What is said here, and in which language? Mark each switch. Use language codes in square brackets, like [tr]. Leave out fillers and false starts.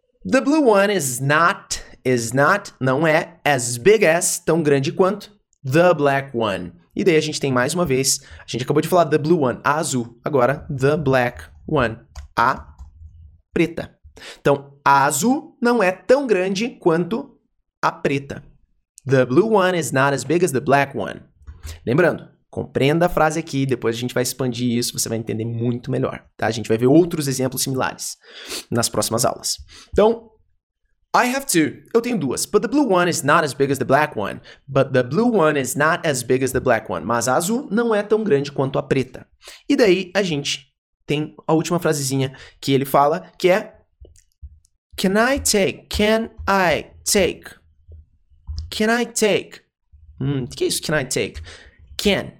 [en] The blue one is not, não é, as big as, tão grande quanto, the black one. [pt] E daí a gente tem mais uma vez, a gente acabou de falar the blue one, a azul, agora the black one, a preta. Então, a azul não é tão grande quanto a preta. [en] The blue one is not as big as the black one. [pt] Lembrando, compreenda a frase aqui, depois a gente vai expandir isso, você vai entender muito melhor, tá? A gente vai ver outros exemplos similares nas próximas aulas. Então, I have two. Eu tenho duas. [en] But the blue one is not as big as the black one. But the blue one is not as big as the black one. [pt] Mas a azul não é tão grande quanto a preta. E daí a gente tem a última frasezinha que ele fala, que é can I take? [en] Can I take? Can I take? O que é isso? Can I take? Can.